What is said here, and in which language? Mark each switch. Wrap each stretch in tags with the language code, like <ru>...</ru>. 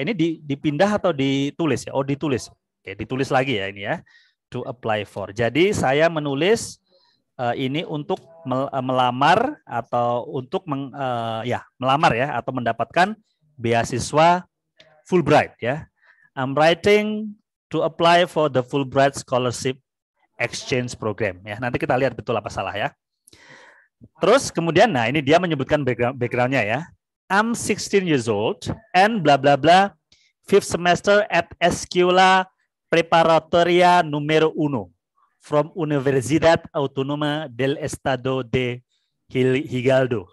<id>Ini dipindah atau ditulis ya? Oh, ditulis. Oke, ditulis lagi ya ini ya.</id> <en>To apply for.</en> <id>Jadi saya menulis ini untuk melamar atau untuk melamar ya atau mendapatkan beasiswa Fulbright ya.</id> <en>I'm writing to apply for the Fulbright Scholarship Exchange Program.</en> <id>Ya, nanti kita lihat betul apa salah ya. Terus kemudian, nah ini dia menyebutkan background-nya ya.</id> <en>I'm 16 years old and blah blah blah fifth semester at Escuela Preparatoria Numero Uno from Universidad Autónoma del Estado de Hidalgo.</en>